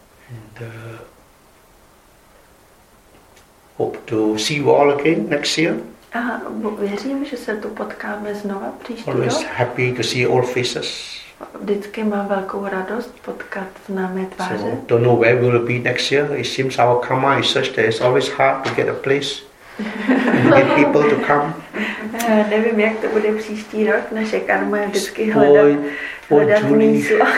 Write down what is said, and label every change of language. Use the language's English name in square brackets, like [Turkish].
[English] And, hope to see you all again next year. [Czech] A věřím, že se tu potkáme znova příští rok. [English] Always happy to see old faces. [Czech] Vždycky mám velkou radost potkat známé tváře. [English] So, don't know where we'll be next year. It seems our karma is such that it's always hard to get a place. Get people to come. [Czech] Nevím, jak to bude příští rok. Naše karma je vždycky hledat místo.